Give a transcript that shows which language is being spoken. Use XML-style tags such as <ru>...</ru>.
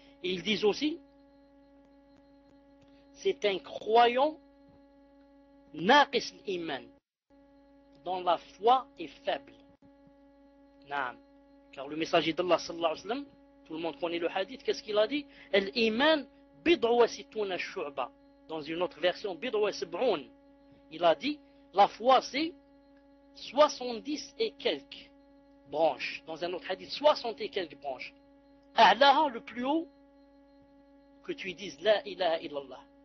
<fr>Et ils disent aussi, c'est un croyant</fr> <ar>ناقص الإيمان</ar> <fr>dont la foi est faible.</fr> <ar>نعم.</ar> <fr>Car le messager d'Allah</fr> <ar>صلى الله عليه وسلم,</ar> <fr>tout le monde connaît le hadith, qu'est-ce qu'il a dit?</fr> <ar>الإيمان بضع وستون الشعبة.</ar> <fr>Dans une autre version,</fr> <ar>بضع وسبعون.</ar> <fr>Il a dit, la foi c'est 70 et quelques branches. Dans un autre hadith, 60 et quelques branches.</fr> <ar>أعلاها,</ar> <fr>le plus haut, que tu dises</fr> <ar>لا إله إلا الله.</ar>